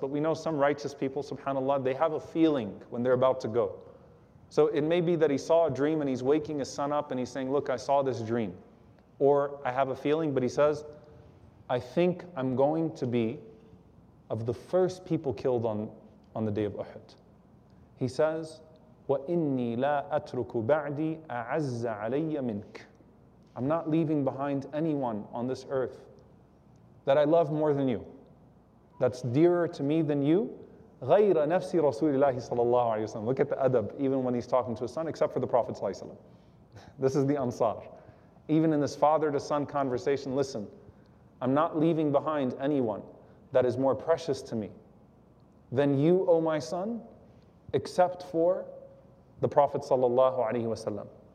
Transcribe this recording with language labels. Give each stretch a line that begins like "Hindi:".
English: But we know some righteous people, subhanAllah, they have a feeling when they're about to go. So it may be that he saw a dream and he's waking his son up and he's saying, look, I saw this dream. Or I have a feeling, but he says, I think I'm going to be of the first people killed on the day of Uhud. He says,
Arabic: وَإِنِّي لَا أَتْرُكُ بَعْدِي أَعَزَّ عَلَيَّ مِنْكَ.
English: I'm not leaving behind anyone on this earth that I love more than you, that's dearer to me than you.
Arabic: غَيْرَ نَفْسِ رَسُولِ اللَّهِ صَلَى اللَّهُ عَلَيْهِ وَسَلَّمُ.
English: Look at the adab, even when he's talking to his son, except for the Prophet ﷺ. This is the Ansar. Even in this father-to-son conversation, listen, I'm not leaving behind anyone that is more precious to me than you, O my son, except for the Prophet sallallahu alaihi wasallam.